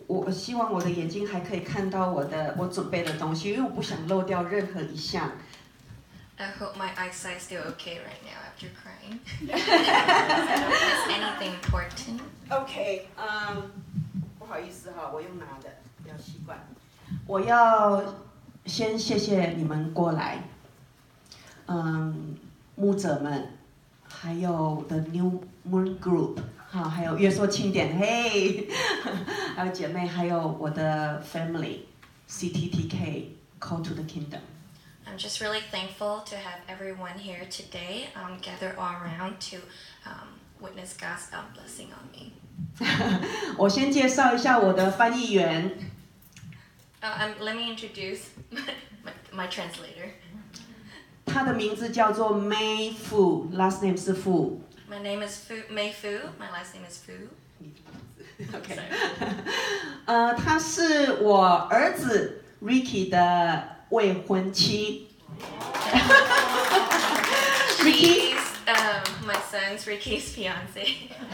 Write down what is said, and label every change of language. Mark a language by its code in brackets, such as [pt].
[zh] 希望我的眼睛还可以看到我准备的东西，因为我不想漏掉任何一项。 [en] I hope my eyesight is still okay right now after crying. Is anything important? Okay. [zh] 不好意思哈，我用拿的，要习惯。我要先谢谢你们过来，牧者们，还有 The New Moon Group。好，还有约束庆典，嘿，还有姐妹，还有我的 family, CTTK, Call to the Kingdom. [en] I'm just really thankful to have everyone here today, gather all around to witness God's blessing on me. [zh] 我先介绍一下我的翻译员。 [en] Let me introduce my translator. [zh] 她的名字叫做 May Fu, [en] last name [zh] 是 Fu. [en] My name is Fu, May Fu. My last name is Fu. Okay. [zh] 他是我儿子 Ricky 的未婚妻。 [en] She's my son's Ricky's fiance.